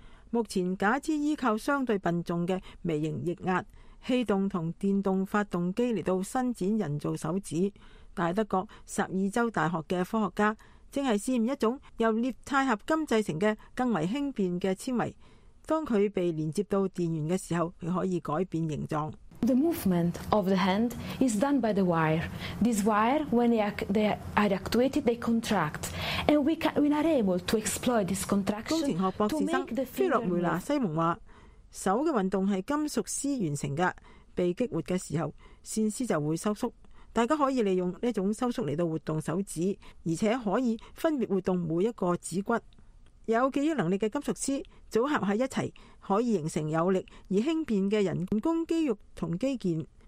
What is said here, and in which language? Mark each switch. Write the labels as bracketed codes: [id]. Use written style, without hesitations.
[zh] 目前假肢依靠相对笨重的微型液压气动和电动发动机来到伸展人造手指，但德国十二州大学的科学家正是试验一种由裂钛合金制成的更为轻便的纤维，当它被连接到电源的时候，它可以改变形状。 [en] The movement of the hand is done by the wire. This wire, when they are actuated, they contract. And we are able to exploit this contraction. [zh] 工程学博士生菲洛梅拿西蒙说，手的运动是金属丝完成的，被激活的时候线丝就会收缩，大家可以利用这种收缩来活动手指，而且可以分别活动每一个指骨。有记忆能力的金属丝组合在一起，可以形成有力而轻便的人工肌肉和肌腱。